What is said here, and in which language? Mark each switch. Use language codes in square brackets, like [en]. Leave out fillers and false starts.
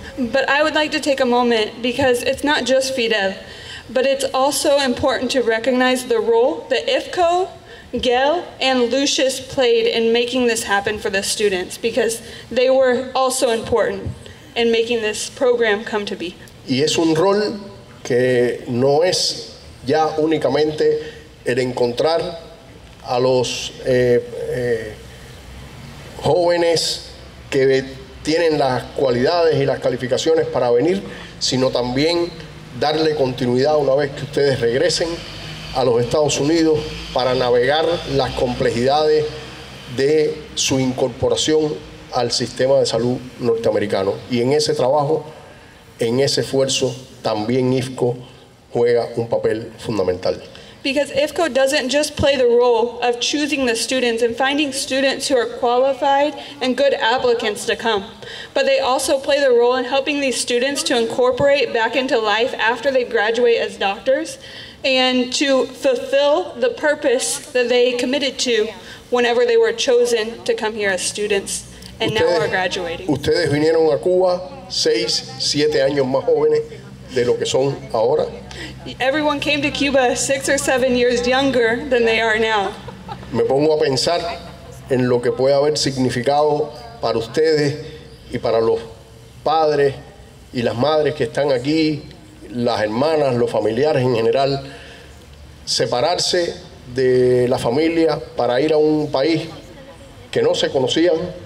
[en] But I would like to take a moment, because it's not just Fidel, but it's also important to recognize the role that IFCO, Gail and Lucius played in making this happen for the students, because they were also important in making this program come to be. [es] Y es un rol que no es ya únicamente el encontrar a los jóvenes que tienen las cualidades y las calificaciones para venir, sino también darle continuidad una vez que ustedes regresen a los Estados Unidos para navegar las complejidades de su incorporación al sistema de salud norteamericano. Y en ese trabajo, en ese esfuerzo, también IFCO juega un papel fundamental. [en] Because IFCO doesn't just play the role of choosing the students and finding students who are qualified and good applicants to come, but they also play the role in helping these students to incorporate back into life after they graduate as doctors, and to fulfill the purpose that they committed to whenever they were chosen to come here as students and ustedes, now are graduating. [es] Ustedes vinieron a Cuba 6-7 años más jóvenes de lo que son ahora. [en] Everyone came to Cuba 6 or 7 years younger than they are now. [es] Me pongo a pensar en lo que puede haber significado para ustedes y para los padres y las madres que están aquí, las hermanas, los familiares en general, separarse de la familia para ir a un país que no se conocían,